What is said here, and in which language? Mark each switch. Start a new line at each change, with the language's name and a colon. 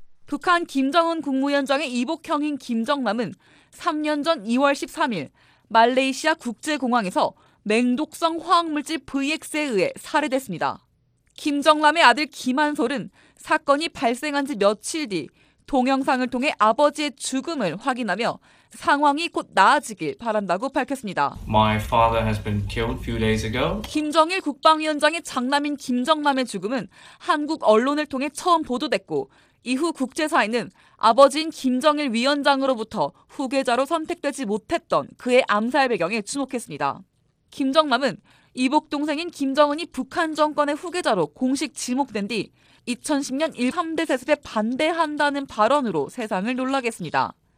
Korean: 북한 김정은 국무위원장의 이복형인 김정남은 3년 전 2월 13일 말레이시아 국제공항에서 맹독성 화학물질 VX에 의해 살해됐습니다. 김정남의 아들 김한솔은 사건이 발생한 지 며칠 뒤 동영상을 통해 아버지의 죽음을 확인하며 상황이 곧 나아지길 바란다고 밝혔습니다.
English: My father has been killed few days ago.
Korean: 김정일 국방위원장의 장남인 김정남의 죽음은 한국 언론을 통해 처음 보도됐고 이후 국제사회는 아버지인 김정일 위원장으로부터 후계자로 선택되지 못했던 그의 암살 배경에 주목했습니다. 김정남은 이복 동생인 김정은이 북한 정권의 후계자로 공식 지목된 뒤 2010년 1·3대 세습에 반대한다는 발언으로 세상을 놀라게 했습니다.